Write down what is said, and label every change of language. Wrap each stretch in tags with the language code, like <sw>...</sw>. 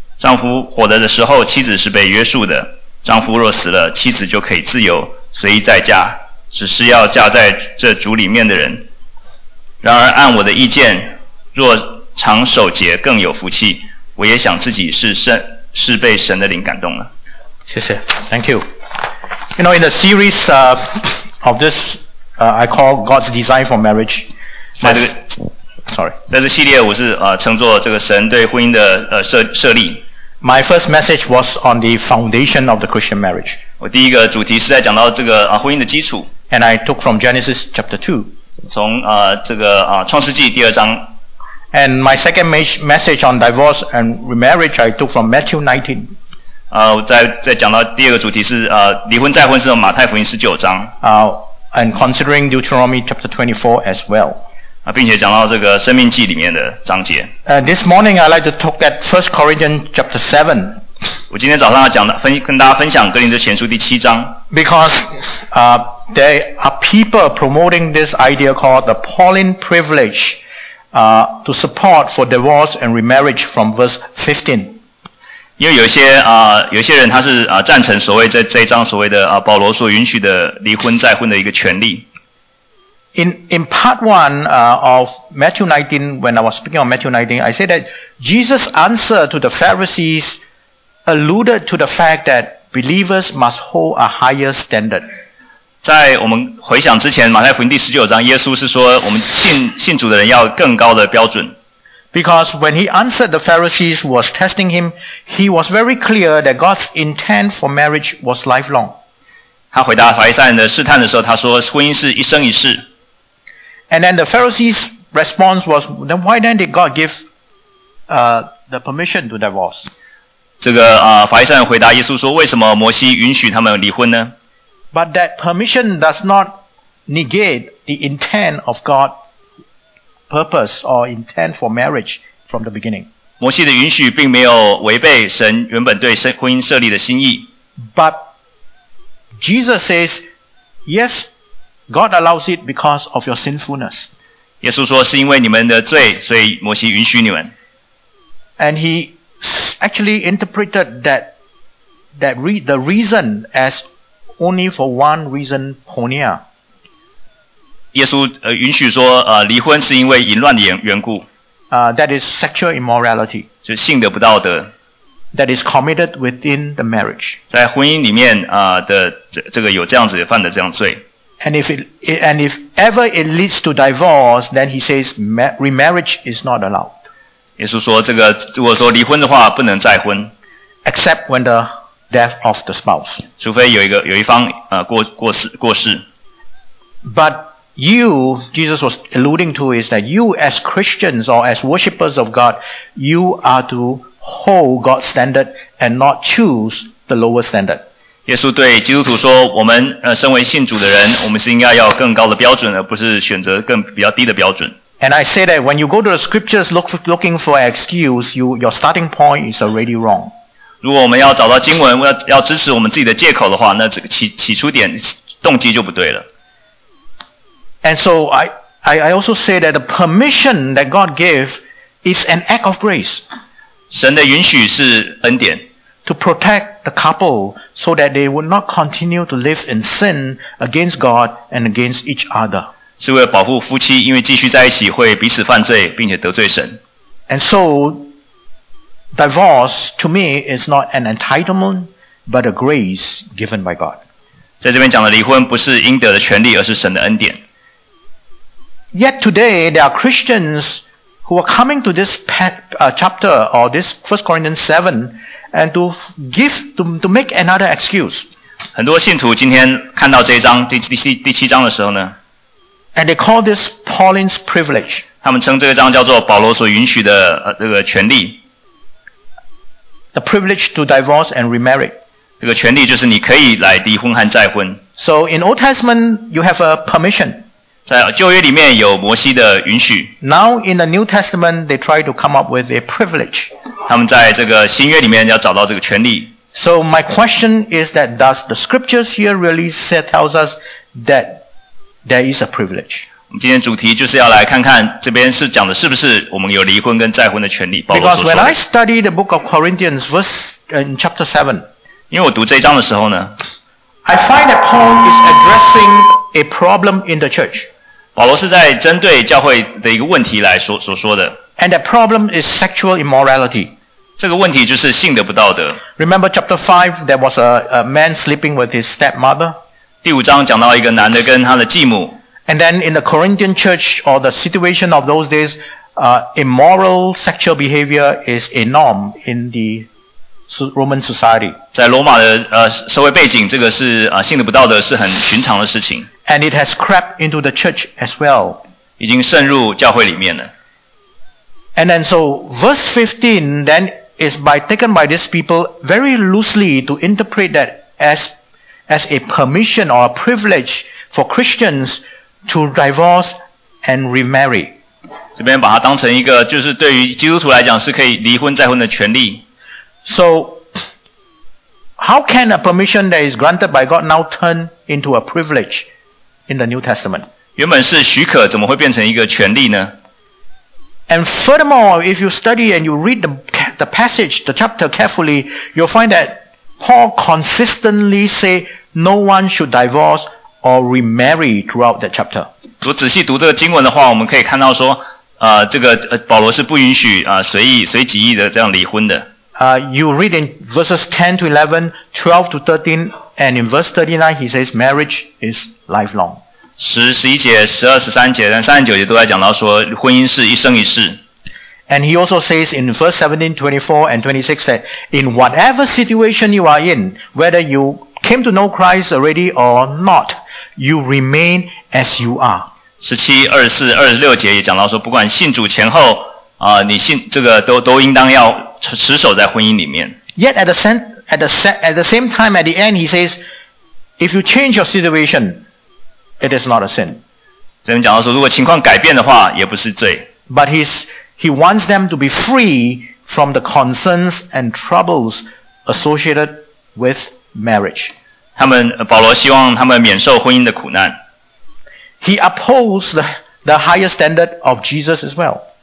<zh>丈夫活着的时候，妻子是被约束的，丈夫若死了，妻子就可以自由随意再嫁，只是要嫁在这主里面的人。然而按我的意见，若常守节更有福气。我也想自己是被神的灵感动了。谢谢 ，</zh> <en>Thank you。 You know, in the series of this, I call God's design for marriage.</en> <zh>在这系列我是称作这个神对婚姻的设立。</zh> <en>My first message was on the foundation of the Christian marriage.</en> <zh>我第一个主题是在讲到这个婚姻的基础。</zh> <en>And I took from Genesis chapter 2.</en> <zh>从这个创世纪第二章。</zh> <en>And my second message on divorce and remarriage I took from Matthew 19.</en> <zh>在讲到第二个主题是离婚再婚是从马太福音19章。</zh> <en>And considering Deuteronomy chapter 24 as well.</en> <zh>并且讲到这个《生命记》里面的章节。</zh> <en>This morning I'd like to talk at 1 Corinthians chapter 7.</en> <zh>我今天早上要跟大家分享《哥林多前书》第七章。</zh> <en>Because there are people promoting this idea called the Pauline privilege to support for divorce and remarriage from verse 15.</en> <zh>因为有些人他是赞成所谓在这一章所谓的保罗所允许的离婚再婚的一个权利。</zh> <en>In part one, of Matthew 19, when I was speaking on Matthew 19, I said that Jesus' answer to the Pharisees alluded to the fact that believers must hold a higher standard.</en> <zh>在我们回想之前，马太福音第十九章，耶稣是说我们信主的人要更高的标准。</zh> <en>Because when he answered the Pharisees who was testing him, he was very clear that God's intent for marriage was lifelong.</en> <zh>他回答法利赛人的试探的时候，他说婚姻是一生一世。</zh> <en>And then the Pharisees' response was, then why then did God give, the permission to divorce?</en> <zh>这个法利赛人回答耶稣说，为什么摩西允许他们离婚呢？</zh> <en>But that permission does not negate the intent of God's purpose or intent for marriage from the beginning.</en> <zh>摩西的允许并没有违背神原本对婚姻设立的心意。</zh> <en>But Jesus says, yes,God allows it because of your sinfulness.</en> <zh>耶稣说是因为你们的罪，所以摩西允许你们。</zh> <en>And he actually interpreted the reason as only for one reason, porneia.</en> <zh>耶稣允许说离婚是因为淫乱的缘故。</zh> <en>That is sexual immorality.</en> <zh>就性的不道德。</zh> <en>That is committed within the marriage.</en> <zh>在婚姻里面的这个有这样子犯的这样罪。</zh> <en>And if ever it leads to divorce, then he says remarriage is not allowed.</en> <zh>耶稣说这个如果说离婚的话不能再婚。</zh> <en>Except when the death of the spouse.</en> <zh>除非有一方过世。</zh> <en>But you, Jesus was alluding to is that you as Christians or as worshippers of God, you are to hold God's standard and not choose the lower standard.</en> <zh>耶稣对基督徒说我们身为信主的人我们是应该要更高的标准而不是选择更比较低的标准。</zh> <en>And I say that when you go to the scriptures looking for an excuse, your starting point is already wrong.</en> <zh>如果我们要找到经文要支持我们自己的借口的话那这个起初点动机就不对了。</zh> <en>And so I also say that the permission that God gave is an act of grace.</en> <zh>神的允许是恩典。</zh> <en>To protect the couple so that they would not continue to live in sin against God and against each other.</en> <zh>是为了保护夫妻，因为继续在一起会彼此犯罪，并且得罪神。</zh> <en>And so, divorce to me is not an entitlement, but a grace given by God.</en> <zh>在这边讲的离婚不是应得的权利，而是神的恩典。</zh> <en>Yet today, there are Christians who are coming to this chapter or this 1 Corinthians 7. And to make another excuse.</en> <zh>很多信徒今天看到这一章第七章的时候呢</zh> <en>，and they call this Pauline's privilege.</en> <zh>他们称这个章叫做保罗所允许的这个权利。</zh> <en>The privilege to divorce and remarry.</en> <zh>这个权利就是你可以来离婚和再婚。</zh> <en>So in Old Testament, you have a permission.</en> <zh>在旧约里面有摩西的允许。</zh> <en>Now in the New Testament, they try to come up with a privilege.</en> <zh>他们在这个新约里面要找到这个权利。</zh> <en>So my question is that does the scriptures here really tells us that there is a privilege?</en> <zh>我们今天主题就是要来看看这边是讲的是不是我们有离婚跟再婚的权利。保罗所说的。</zh> <en>Because when I study the book of Corinthians, verse in chapter 7,</en> <zh>因为我读这一章的时候呢</zh> <en>，I find that Paul is addressing a problem in the church.</en> <zh>保罗是在针对教会的一个问题来所说的。</zh> <en>And that problem is sexual immorality.</en> <zh>这个问题就是性的不道德。</zh> <en>Remember chapter 5, there was a man sleeping with his stepmother.</en> <zh>第五章讲到一个男的跟他的继母。</zh> <en>And then in the Corinthian church, or the situation of those days, immoral sexual behavior is a norm in the Roman society.</en> <zh>在罗马的社会背景，这个是性的不道德是很寻常的事情。</zh> <en>And it has crept into the church as well.</en> <zh>已经渗入教会里面了。</zh> <en>And then so verse 15 then is by taken by these people very loosely to interpret that as a permission or a privilege for Christians to divorce and remarry.</en> <zh>这边把它当成一个就是对于基督徒来讲是可以离婚再婚的权利。</zh> <en>So how can a permission that is granted by God now turn into a privilege in the New Testament?</en> <zh>原本是许可怎么会变成一个权利呢？</zh> <en>And furthermore, if you study and you read the passage, the chapter carefully, you'll find that Paul consistently say no one should divorce or remarry throughout that chapter.</en> <zh>如果仔细读这个经文的话，我们可以看到说，这个保罗是不允许随己意的这样离婚的。</zh> <en>You read in verses 10 to 11, 12 to 13, and in verse 39, he says marriage is lifelong.</en> <zh>10, 11, 12, 13, 39都在讲到说婚姻是一生一世。</zh> <en>And he also says in verse 17, 24 and 26 that in whatever situation you are in, whether you came to know Christ already or not, you remain as you are.</en> <zh>17, 24, 26也讲到说不管信主前后你信这个都应当要持守在婚姻里面。</zh> <en>Yet at the same time at the end he says, if you change your situation,It is not a sin.</en> <zh>这边讲到说，如果情况改变的话，也不是罪。</zh> <en>But he wants them to be free from the concerns and troubles associated with marriage.</en> <zh>他们保罗希望他们免受婚姻的苦难。</zh> <en>He upholds the higher standard of Jesus as well.</en>